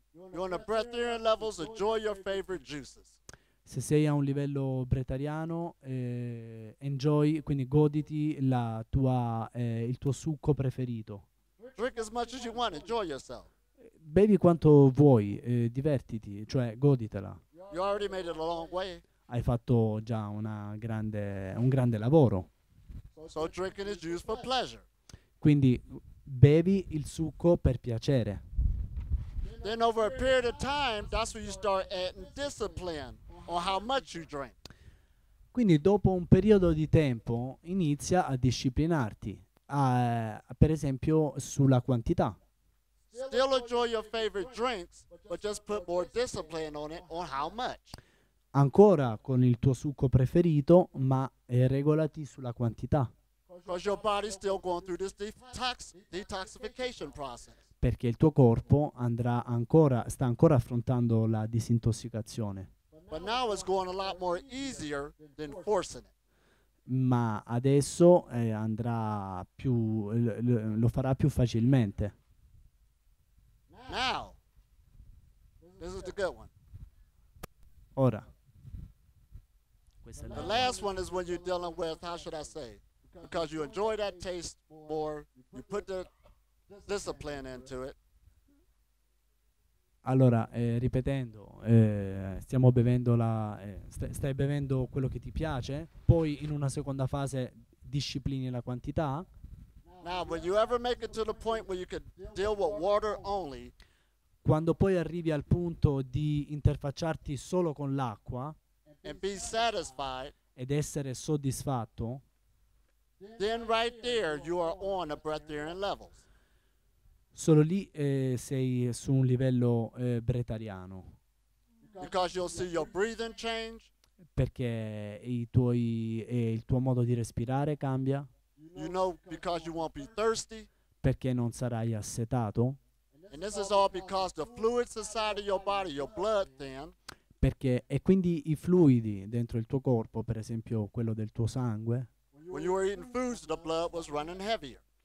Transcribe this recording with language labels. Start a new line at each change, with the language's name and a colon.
English: You want a breatharian level, enjoy your favorite juices.
Italian: Se sei a un livello bretariano, enjoy, quindi goditi il tuo succo preferito.
English: Drink as much as you want, enjoy yourself.
Italian: Bevi quanto vuoi, divertiti, cioè goditela.
English: You already made it a long way.
Italian: Hai fatto già un grande lavoro.
English: So drinking is used for pleasure.
Italian: Quindi bevi il succo per piacere.
English: Then over a period of time, that's when you start adding discipline. Or how much you drink.
Italian: Quindi dopo un periodo di tempo inizia a disciplinarti, per esempio sulla quantità.
English: Still enjoy your favorite drinks, but just put more discipline on it on how much.
Italian: Ancora con il tuo succo preferito, ma regolati sulla quantità.
English: Because your body's still going through this detoxification process.
Italian: Perché il tuo corpo sta ancora affrontando la disintossicazione.
English: But now it's going a lot more easier than forcing it.
Italian: Ma adesso lo farà più facilmente.
English: Now, this is the good one.
Italian: Ora.
English: The last one is when you're dealing with, how should I say, because you enjoy that taste more, you put the discipline into it.
Italian: Allora, ripetendo, stiamo bevendo stai bevendo quello che ti piace, poi in una seconda fase disciplini la quantità.
English: Now, will you ever make it to the point where you could deal with water only?
Italian: Quando poi arrivi al punto di interfacciarti solo con l'acqua
English: and be satisfied,
Italian: ed essere soddisfatto,
English: then right there you are on a breatharian level.
Italian: Solo lì sei su un livello bretariano.
English: Because you'll see your breathing change.
Italian: Perché il tuo modo di respirare cambia.
English: You know, because you won't be thirsty.
Italian: Perché non sarai assetato.
English: And this is all because the fluids inside of your body, your blood thin.
Italian: Perché e quindi i fluidi dentro il tuo corpo, per esempio quello del tuo sangue.
English: When you were eating foods, the blood was running heavier.